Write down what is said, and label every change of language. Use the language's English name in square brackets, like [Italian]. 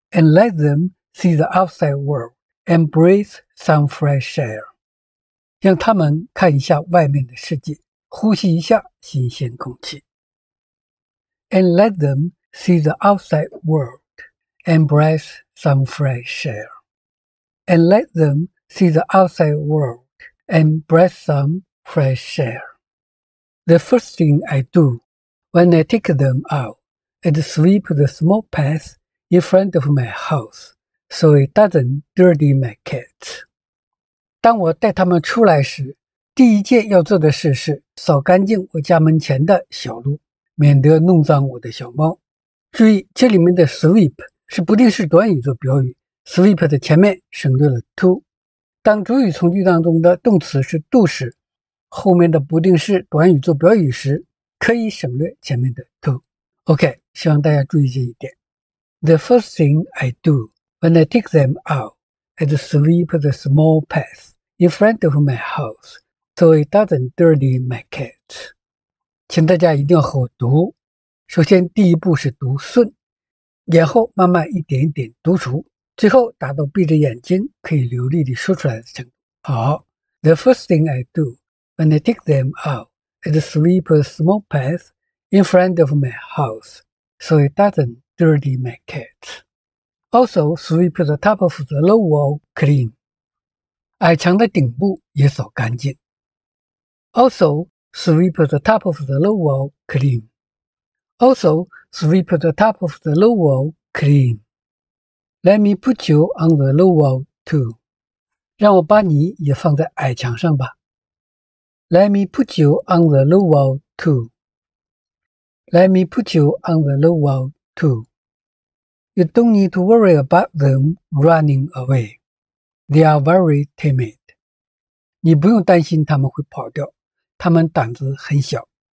[English] And let them see the outside world and breathe some fresh air. [Chinese] 让他们看一下外面的世界。呼吸一下新鲜空气。 [English] And let them see the outside world and breathe some fresh air. And let them see the outside world and breathe some fresh air. The first thing I do when I take them out is sweep the small path in front of my house so it doesn't dirty my cats. [Chinese] 当我带他们出来时，第一件要做的事是扫干净我家门前的小路，免得弄脏我的小猫。注意，这里面的 sweep 是不定式短语做表语， sleep 的前面省略了 to。当主语从句当中的动词是 do 时，后面的不定式短语做表语时，可以省略前面的 to。 OK， 希望大家注意这一点。 [English] The first thing I do when I take them out is sweep the small path in front of my house so it doesn't dirty my cat。 [Chinese] 请大家一定要和我读，首先第一步是读顺，然后慢慢一点一点读熟，最后达到闭着眼睛可以流利地说出来的程度。 [English] 好， The first thing I do when I take them out is sweep a small path in front of my house so it doesn't dirty my cat. Also, sweep the top of the low wall clean. [Chinese] 矮墙的顶部也扫干净。 [English] Also, sweep the top of the low wall clean. Also, sweep the top of the low wall clean. Let me put you on the low wall too. [Chinese] 让我把你也放在矮墙上吧。 [English] Let me put you on the low wall too. Let me put you on the low wall too. You don't need to worry about them running away. They are very timid. [Chinese] 你不用担心他们会跑掉，他们胆子很小。